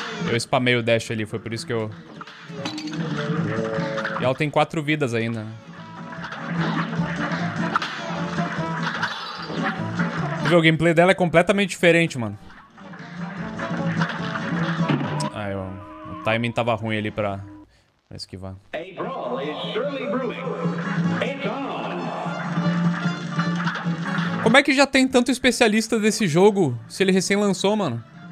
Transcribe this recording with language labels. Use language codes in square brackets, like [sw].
[pt] Eu spamei o dash ali, foi por isso que eu... E ela tem 4 vidas ainda. O gameplay dela é completamente diferente, mano. Ai, o timing tava ruim ali pra esquivar. [en] A brawl is surely brewing. It's on. [pt] Como é que já tem tanto especialista desse jogo se ele recém lançou, mano?